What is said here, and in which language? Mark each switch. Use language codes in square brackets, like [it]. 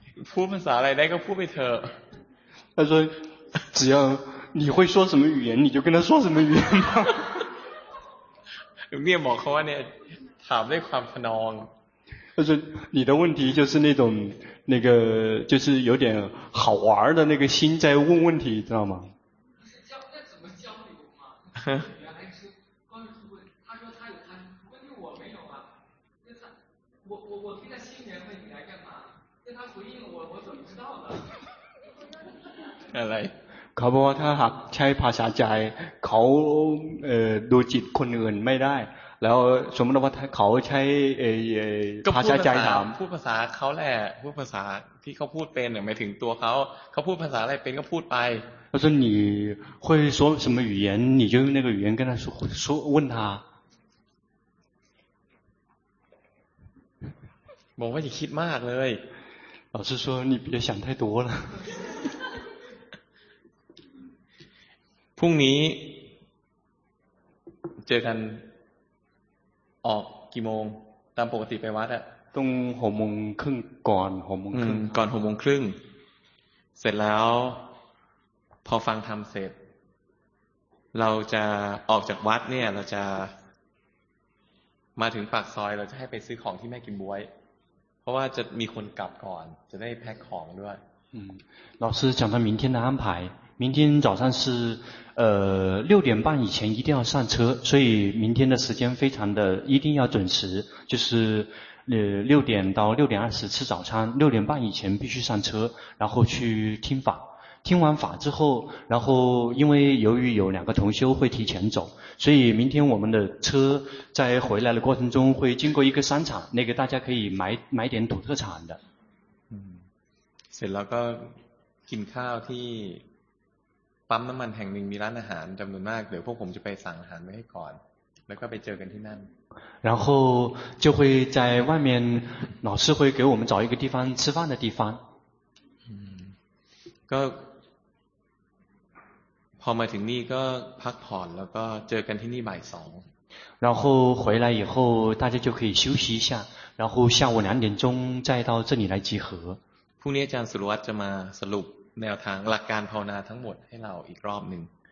[th] พูดภาษาอะไรได้ก็พูดไปเถอะ [zh] 他说只要你会说什么语言你就跟他说什么语言吧 [th] เนี่ยบอกเขาว่าเนี่ยถามด้วยความทะนอง [zh] 他说你的问题就是那种那个就是有点好玩的那个心在问问题知道吗那怎么交流嘛 [th] อะไร เขาบอกว่าถ้าหากใช้ภาษาใจเขาดูจิตคนอื่นไม่ได้แล้วสมมติว่าเขาใช้ภาษาใจถาม พูดภาษาเขาแหละพูดภาษาที่เขาพูดเป็นหมายถึงตัวเขาเขาพูดภาษาอะไรเป็นก็พูดไปเข าบอก [zh] 你会说什么语言你就用那个语言跟他说说问他 [th] บอกว่าอย่าคิดมากเลย [zh] 老师说你别想太多了 [th] พรุ่งนี้เจอกันออกกี่โมงตามปกติไปวัดอะ ต้องหกโมงครึ่งก่อนหกโมงครึ่ง ก่อนหกโมงครึ่งเสร็จแล้วพอฟังธรรมเสร็จเราจะออกจากวัดเนี่ยเราจะมาถึงปากซอยเราจะให้ไปซื้อของที่แม่กิมบวยเพราะว่าจะมีคนกลับก่อนจะได้แพ็คของด้วย [zh] 老师讲到明天的安排明天早上是六点半以前一定要上车所以明天的时间非常的一定要准时就是六点到六点二十吃早餐六点半以前必须上车然后去听法听完法之后然后因为由于有两个同修会提前走所以明天我们的车在回来的过程中会经过一个商场那个大家可以买点土特产的 [th] เสร็จแล้วก็กินข้าวที่ปั๊มน้ำมันแห่งหนึ่งมีร้านอาหารจำนวนมากเดี๋ยวพวกผมจะไปสั่งอาหารไว้ให้ก่อนแล้วก็ไปเจอกันที่นั่น [zh] 然后就会在外面老师会给我们找一个地方吃饭的地方 [th] ก็พอมาถึงนี่ก็พักผ่อนแล้วก็เจอกันที่นี่บ่ายสอง [zh] 然后回来以后大家就可以休息一下然后下午两点钟再到这里来集合 [th] พรุ่งนี้อาจารย์สุรวัฒน์จะมาสรุปแนวทางหลักการภาวนาทั้งหมดให้เราอีกรอบหนึ่ง